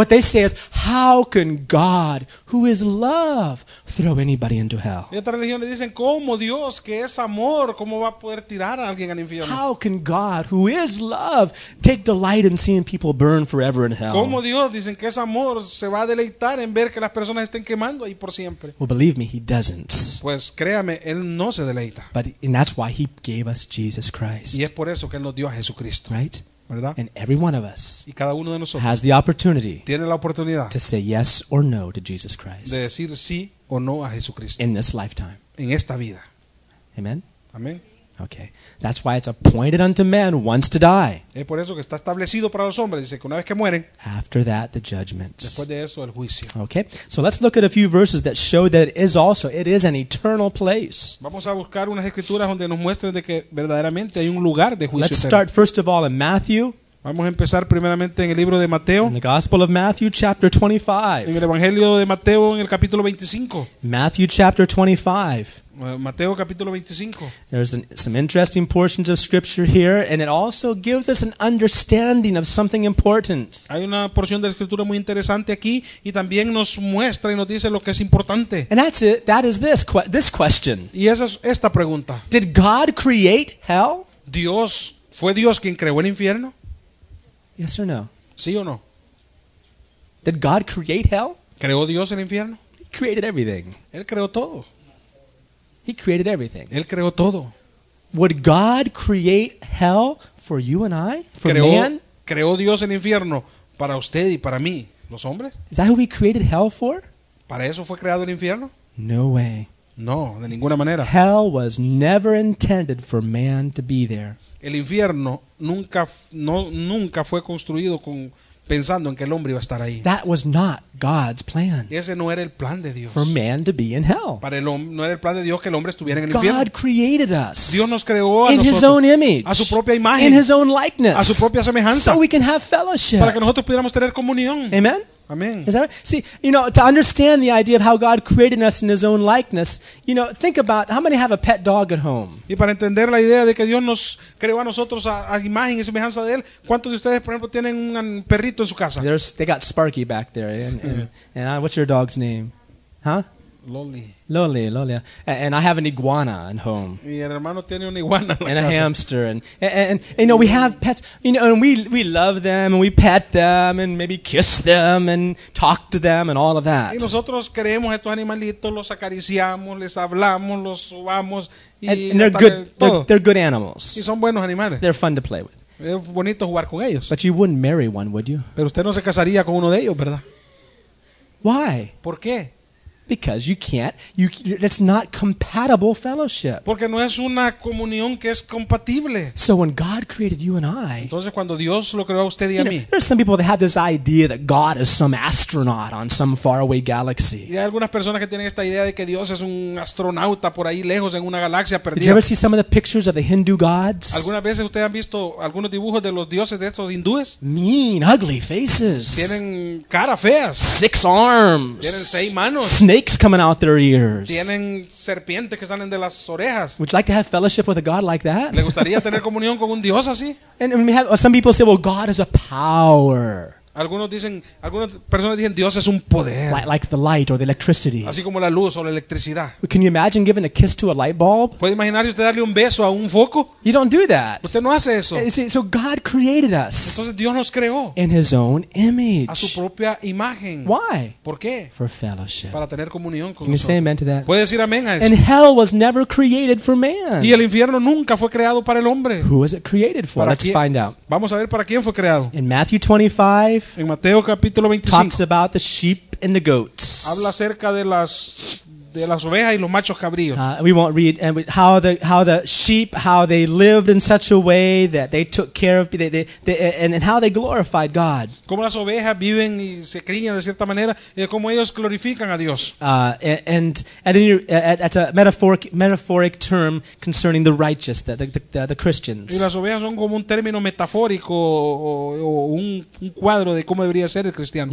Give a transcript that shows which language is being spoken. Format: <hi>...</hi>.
<en>What they say is, how can God, who is love, throw anybody into hell?</en> <es>Y otras religiones dicen, ¿cómo Dios, que es amor, cómo va a poder tirar a alguien al infierno?</es> <en>How can God, who is love, take delight in seeing people burn forever in hell?</en> <es>¿Cómo Dios, dicen que es amor, se va a deleitar en ver que las personas estén quemando ahí por siempre?</es> <en>Well, believe me, he doesn't.</en> <es>Pues créame, él no se deleita.</es> <en>But, and that's why he gave us Jesus Christ.</en> <es>Y es por eso que él nos dio a Jesucristo.</es> <en>Right?</en> <es>¿Verdad?</es> <en>And every one of us</en> <es>y cada uno de nosotros</es> <en>has the opportunity</en> <es>tiene la oportunidad</es> <en>to say yes or no to Jesus Christ.</en> <es>De decir sí o no a Jesucristo.</es> <en>In this lifetime.</en> <es>En esta vida.</es> <en>Amen.</en> <es>Amen.</es> <en>Okay. That's why it's appointed unto man once to die.</en> <es>Es por eso que está establecido para los hombres, dice que una vez que mueren.</es> <en>After that, the judgment.</en> <es>Después de eso, el juicio.</es> <en>Okay. So let's look at a few verses that show that it is an eternal place.</en> <es>Vamos a buscar unas escrituras donde nos muestren de que verdaderamente hay un lugar de juicio.</es> <en>Let's</en> <es>eterno.</es> <en>Start first of all in Matthew.</en> <es>Vamos a empezar primeramente en el libro de Mateo.</es> <en>In the Gospel of Matthew, chapter 25.</en> <es>En el Evangelio de Mateo, en el capítulo 25.</es> <en>Matthew chapter 25.</en> <es>Mateo capítulo 25.</es> <en>There's some interesting portions of scripture here, and it also gives us an understanding of something important.</en> <es>Hay una porción de la escritura muy interesante aquí, y también nos muestra y nos dice lo que es importante.</es> <en>And that's it. That is this question.</en> <es>Y esa es esta pregunta.</es> <en>Did God create hell?</en> <es>Dios, ¿fue Dios quien creó el infierno?</es> <en>Yes or no?</en> <es>Sí o no?</es> <en>Did God create hell?</en> <es>¿Creó Dios el infierno?</es> <en>He created everything.</en> <es>Él creó todo.</es> <en>He created everything.</en> <es>Él creó todo.</es> <en>Would God create hell for you and I? For man?</en> <es>¿Creó Dios el infierno para usted y para mí, los hombres?</es> <en>Is that who he created hell for?</en> <es>¿Para eso fue creado el infierno?</es> <en>No way.</en> <es>No, de ninguna manera.</es> <en>Hell was never intended for man to be there.</en> <es>El infierno nunca fue construido con pensando en que el hombre iba a estar ahí.</es> <en>That was not God's plan.</en> <es>Ese no era el plan de Dios.</es> <en>For man to be in hell.</en> <es>Para el no era el plan de Dios que el hombre estuviera en el</es> <en>God</en> <es>infierno.</es> <en>God created us.</en> <es>Dios nos creó a</es> <en>in</en> <es>nosotros.</es> <en>His own image.</en> <es>A su propia imagen.</es> <en>In his own likeness.</en> <es>A su propia semejanza.</es> <en>So we can have fellowship.</en> <es>Para que nosotros pudiéramos tener comunión.</es> <en>Amen.</en> <es>Amen.</es> <en>Is that right? See, you know, to understand the idea of how God created us in his own likeness, you know, think about how many have a pet dog at home.</en> <es>Y para entender la idea de que Dios nos creó a nosotros a imagen y semejanza de él, ¿cuántos de ustedes, por ejemplo, tienen un perrito en su casa?</es> <en>They got Sparky back there. And what's your dog's name? Huh? Loli. And I have an iguana at home.</en> <es>Y el hermano tiene una iguana en la</es> <en>and a</en> <es>casa.</es> <en>Hamster. And you know, we have pets, you know, and we love them, and we pet them, and maybe kiss them, and talk to them, and all of that.</en> <es>Y nosotros queremos estos animalitos, los acariciamos, les hablamos, los subamos, y</es> <en>and they're good. They're good animals.</en> <es>Y son buenos animales.</es> <en>They're fun to play with.</en> <es>Es bonito jugar con ellos.</es> <en>But you wouldn't marry one, would you?</en> <es>Pero usted no se casaría con uno de ellos, ¿verdad?</es> <en>Why?</en> <es>¿Por qué?</es> <en>Because you can't, it's not compatible fellowship.</en> <es>Porque no es una comunión que es compatible.</es> <en>So when God created you and I,</en> <es>entonces cuando Dios lo creó a usted y a mí,</es> <en>there's some people that have this idea that God is some astronaut on some faraway galaxy.</en> <es>Y hay algunas personas que tienen esta idea de que Dios es un astronauta por ahí lejos en una galaxia perdida.</es> <en>Did you ever see some of the pictures of the Hindu gods?</en> <es>¿Alguna vez usted han visto algunos dibujos de los dioses de estos hindúes?</es> <en>Mean, ugly faces.</en> <es>Tienen cara feas.</es> <en>Six arms.</en> <es>Tienen seis manos.</es> <en>Snakes coming out their ears.</en> <es>Tienen serpientes que salen de las orejas.</es> <en>Would you like to have fellowship with a God like that?</en> <es>¿Le gustaría tener comunión con un Dios así?</es> <en>And we have, some people say, well, God is a power.</en> <es>algunas personas dicen Dios es un poder.</es> <en>Like the light or the electricity.</en> <es>Así como la luz o la electricidad.</es> <en>Can you imagine giving a kiss to a light bulb?</en> <es>¿Puede imaginar usted darle un beso a un foco?</es> <en>You don't do that.</en> <es>Usted no hace eso.</es> <en>See, so God created us.</en> <es>Entonces Dios nos creó.</es> <en>In His own image.</en> <es>A su propia imagen.</es> <en>Why?</en> <es>¿Por qué?</es> <en>For fellowship.</en> <es>Para tener comunión con</es> <en>Can</en> <es>nosotros.</es> <en>You say amen to that?</en> <es>¿Puede decir amén a eso?</es> <en>And hell was never created for man.</en> <es>Y el infierno nunca fue creado para el hombre.</es> <en>Who was it created for? Let's find out.</en> <es>Vamos a ver para quién fue creado.</es> <en>In Matthew 25,</en> <es>en Mateo capítulo 25,</es> <en>talks about the sheep and the goats.</en> <es>Habla acerca de las ovejas y los machos cabríos.</es> <en>We won't read and how the sheep, how they lived in such a way that they took care of they and how they glorified God.</en> <es>Cómo las ovejas viven y se crían de cierta manera y cómo ellos glorifican a Dios.</es> <en>That's a metaphoric term concerning the righteous, the Christians.</en> <es>Y las ovejas son como un término metafórico o un cuadro de cómo debería ser el cristiano.</es>